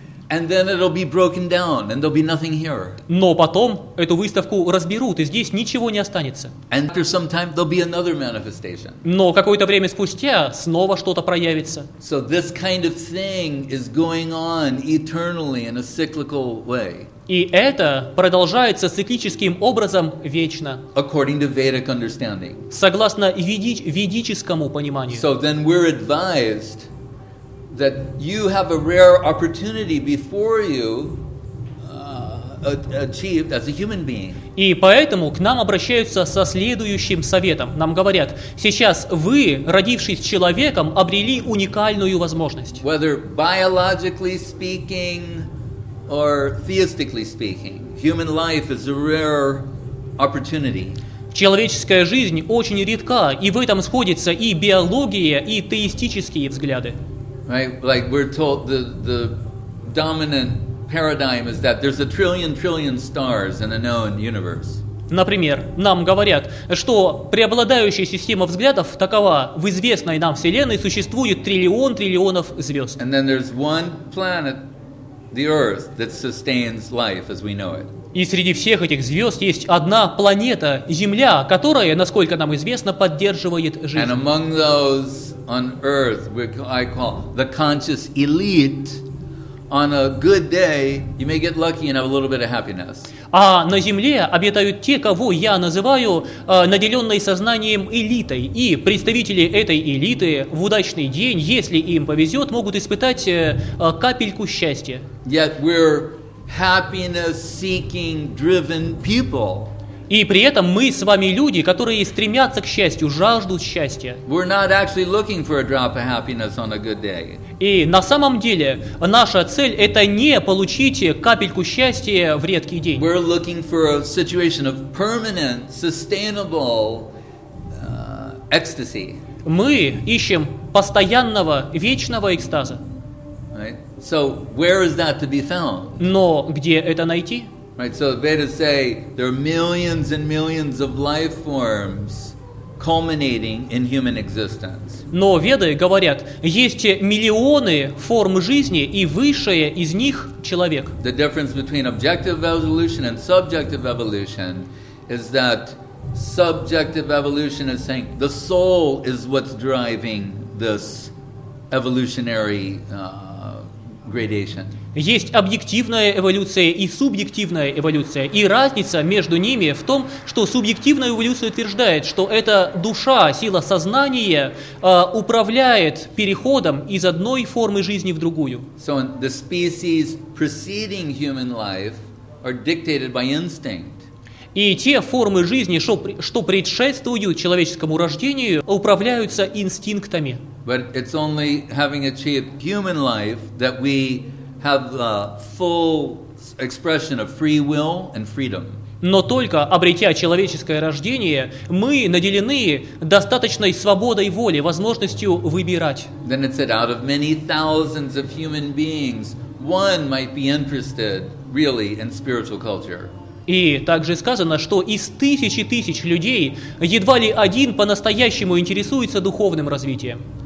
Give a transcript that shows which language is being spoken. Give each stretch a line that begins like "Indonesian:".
English: And then it'll be broken down, and there'll be nothing here.
Russian: Но потом эту выставку разберут, и здесь ничего не останется.
English: And after some time, there'll be another manifestation.
Russian: Но какое-то время спустя снова что-то проявится.
English: So this kind of thing is going on eternally in a cyclical way.
Russian: И это продолжается циклическим образом вечно.
English: According to Vedic understanding.
Russian: Согласно ведическому пониманию.
English: So then we're advised that you have a rare opportunity before you achieved as a human being.
Russian: И поэтому к нам обращаются со следующим советом. Нам говорят, сейчас вы, родившись человеком, обрели уникальную возможность.
English: Whether biologically speaking or theistically speaking, human life is a rare opportunity.
Russian: Человеческая жизнь очень редка, и в этом сходятся и биология, и теистические взгляды.
English: Right, like we're told, the dominant paradigm is that there's a trillion stars in a known universe.
Russian: Например, нам говорят, что преобладающая система взглядов такова: в известной нам вселенной существует триллионов звезд.
English: And then there's one planet, the Earth, that sustains life as we know it.
Russian: И среди всех этих звезд есть одна планета, Земля, которая, насколько нам известно, поддерживает жизнь.
English: And among those on Earth, I call the conscious elite, on a good day, you may get lucky and have a little bit of happiness.
Russian: А на Земле обитают те, кого я называю наделенной сознанием элитой. И представители этой элиты в удачный день, если им повезет, могут испытать капельку счастья.
English: Yet we're happiness-seeking, driven people.
Russian: И при этом мы с вами люди, которые стремятся к счастью, жаждут счастья.
English: We're not actually looking for a drop of happiness on a good day.
Russian: И на самом деле наша цель – это не получить капельку счастья в редкий день.
English: We're looking for a situation of permanent, sustainable ecstasy.
Russian: Мы ищем постоянного, вечного экстаза.
English: Right? So where is that to be found?
Russian: Но где это найти?
English: Right, so Vedas say there are millions and millions of life forms culminating in human existence.
Russian: Но Веды говорят, есть миллионы форм жизни, и высшее из них — человек.
English: The difference between objective evolution and subjective evolution is that subjective evolution is saying the soul is what's driving this evolutionary gradation.
Russian: Есть объективная эволюция и субъективная эволюция. И разница между ними в том, что субъективная эволюция утверждает, что это душа, сила сознания управляет переходом из одной формы жизни в другую.
English: So the species preceding human life are dictated by instinct.
Russian: И те формы жизни, что предшествуют человеческому рождению, управляются инстинктами.
English: But it's only having achieved human life that we have the full expression of free will and freedom.
Russian: Но только обретя человеческое рождение, мы наделены достаточной свободой воли, возможностью выбирать.
English: Then it said, out of many thousands of human beings, one might be interested really in spiritual culture.
Russian: И также сказано, что из тысяч и тысяч людей едва ли один по-настоящему интересуется духовным развитием.